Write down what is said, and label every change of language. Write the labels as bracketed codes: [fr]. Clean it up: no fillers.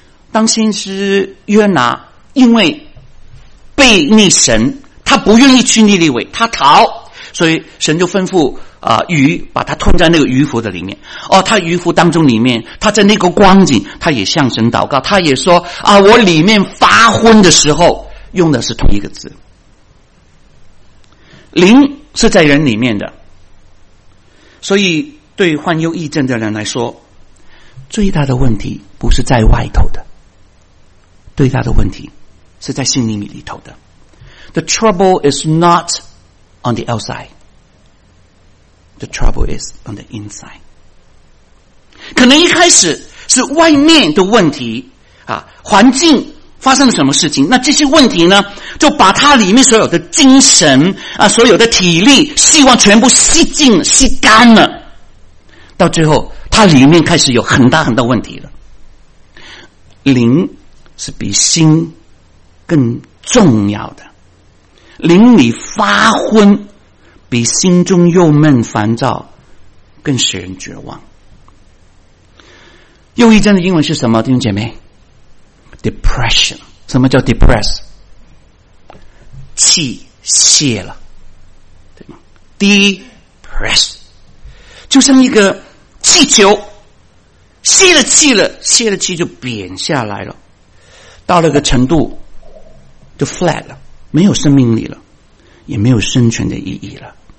[zh] 当先知约拿因为被逆神，他不愿意去逆利位，他逃，所以神就吩咐鱼把他吞在那个鱼腹的里面他鱼腹当中里面，他在那个光景他也向神祷告，他也说我里面发昏的时候，用的是同一个字，灵是在人里面的。所以对患忧郁症的人来说，最大的问题不是在外头的，最大的问题是在心灵里头的。 [en] The trouble is not on the outsideThe trouble is on the inside. [zh] 可能一开始是外面的问题环境发生了什么事情？那这些问题呢，就把他里面所有的精神啊，所有的体力、希望全部吸尽、吸干了。到最后，他里面开始有很大很大问题了。灵是比心更重要的，灵里发昏，比心中又闷烦躁更使人绝望。忧郁症的英文是什么？弟兄姐妹？ Depression， 什么叫 depress？气泄了，对吗 ？Depress 就像一个气球，泄了气了，泄了气就扁下来了，到了个程度就 flat 了，没有生命力了，也没有生存的意义了。